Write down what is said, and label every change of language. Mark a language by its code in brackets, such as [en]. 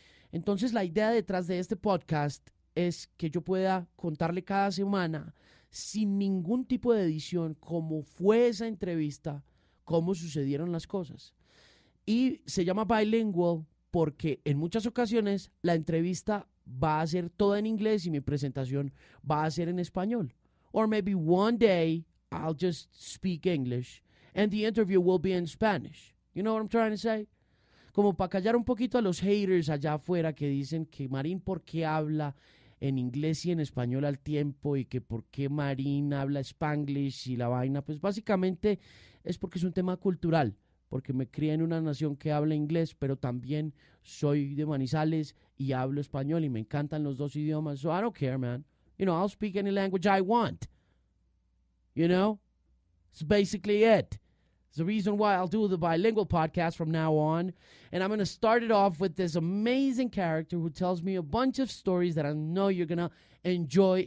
[es] Entonces la idea detrás de este podcast es que yo pueda contarle cada semana, sin ningún tipo de edición, cómo fue esa entrevista, cómo sucedieron las cosas. Y se llama bilingual porque en muchas ocasiones la entrevista va a ser toda en inglés y mi presentación va a ser en español. [en] Or maybe one day I'll just speak English and the interview will be in Spanish. You know what I'm trying to say? [es] Como para callar un poquito a los haters allá afuera que dicen que Marín, ¿por qué habla en inglés y en español al tiempo? Y que por qué Marín habla Spanglish y la vaina. Pues básicamente es porque es un tema cultural, porque me crié en una nación que habla inglés, pero también soy de Manizales y hablo español y me encantan los dos idiomas. [en] So I don't care, man. You know, I'll speak any language I want. You know? It's basically it. It's the reason why I'll do the bilingual podcast from now on. And I'm going to start it off with this amazing character who tells me a bunch of stories that I know you're going to enjoy.